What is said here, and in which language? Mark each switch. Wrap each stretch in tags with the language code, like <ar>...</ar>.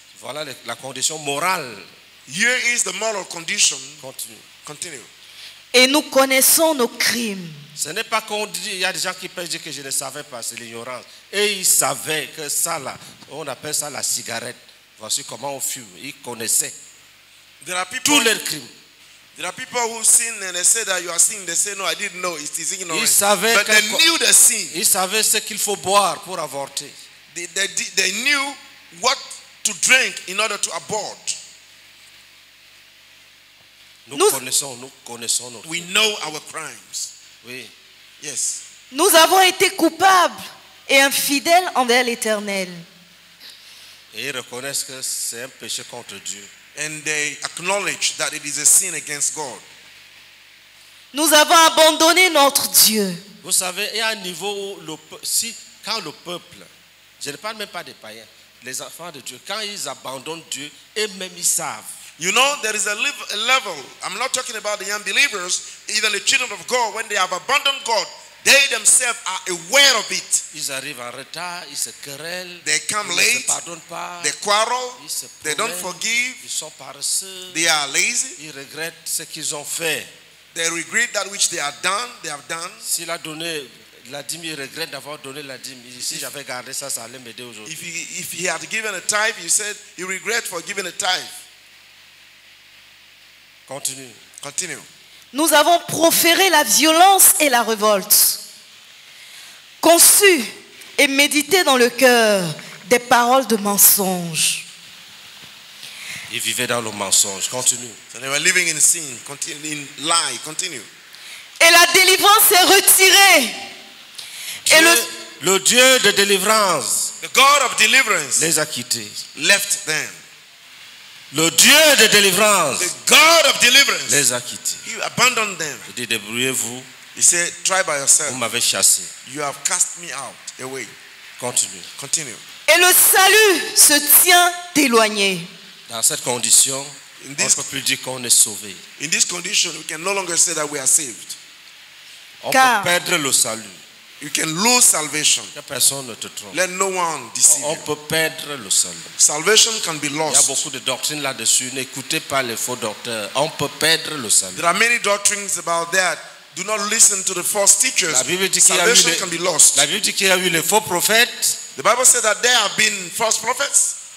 <fr>Voilà la condition morale.</fr> <en>Here is the moral condition.</en> <fr>Continue. Et nous connaissons nos crimes. Ce n'est pas qu'on dit, il y a des gens qui peuvent dire que je ne savais pas, c'est l'ignorance. Et ils savaient que ça là, on appelle ça la cigarette. Voici comment on fume. Ils connaissaient.</fr> <en>There are people,</en> <fr>tous leurs crimes.</fr> <en>There are people who sin and they say that you are sinning. They say no, I didn't know. It is ignorance.</en> <fr>Ils savaient.</fr> <en>But they knew the sin.</en> <fr>Ils savaient ce qu'il faut boire pour avorter.</fr> <en>They knew what to drink in order to abort.</en> <fr>Nous connaissons nos</fr> <en>crimes. We know our crimes.</en> <fr>Oui.</fr> <en>Yes.</en> <fr>Nous avons été coupables et infidèles envers l'Éternel. Et ils reconnaissent que c'est un péché contre Dieu.</fr> <en>And they acknowledge that it is a sin against God.</en> <fr>Nous avons abandonné notre Dieu. Vous savez, il y a un niveau où quand le peuple, je ne parle même pas des païens, les enfants de Dieu, quand ils abandonnent Dieu, eux-mêmes ils savent.</fr> <en>You know, there is a level, I'm not talking about the unbelievers, even the children of God, when they have abandoned God, they themselves are aware of it.</en> <fr>Ils arrivent en retard, ils se querellent,</fr> <en>they come late,</en> <fr>ils ne se pardonnent pas,</fr> <en>they quarrel,</en> <fr>ils se promènent,</fr> <en>they don't forgive,</en> <fr>ils sont paresseux,</fr> <en>they are lazy,</en> <fr>ils regrettent ce qu'ils ont fait.</fr> <en>They regret that which they have done.</en> <fr>S'il a donné la dîme, il regrette d'avoir donné la dîme. Si j'avais gardé ça, ça allait m'aider aujourd'hui.</fr> <en>If he had given a tithe, he said he regrets for giving a tithe.</en> <fr>Continue. Nous avons proféré la violence et la révolte, conçu et médité dans le cœur des paroles de mensonge. Ils vivaient dans le mensonge. Continue.</fr> <en>So they were living in sin, continue, in lie.</en> <fr>Continue. Et la délivrance est retirée. Dieu, et le Dieu de délivrance,</fr> <en>the God of deliverance,</en> <fr>les a quittés.</fr> <en>Left them.</en> <fr>Le Dieu de délivrance,</fr> <en>the God of deliverance,</en> <fr>les a quittés.</fr> <en>He abandoned them.</en> <fr>Il dit, débrouillez-vous.</fr> <en>He said, try by yourself.</en> <fr>Vous m'avez chassé.</fr> <en>You have cast me out. Away.</en> <fr>Continue. Et le salut se tient éloigné. Dans cette condition, on ne peut plus dire qu'on est sauvé.</fr> <en>In this condition, we can no longer say that we are saved.</en> <fr>On peut perdre le salut.</fr> <en>You can lose salvation.</en> <fr>Que personne ne te trompe.</fr> <en>Let no one deceive you.</en> <fr>On peut perdre le salut.</fr> <en>Salvation can be lost.</en> <fr>Il y a beaucoup de doctrines là-dessus. N'écoutez pas les faux docteurs. On peut perdre le salut.</fr> <en>There are many doctrines about that. Do not listen to the false teachers. Salvation can be lost.</en> <fr>La Bible dit qu'il y a eu les faux prophètes.</fr> <en>The Bible says that there have been false prophets.</en>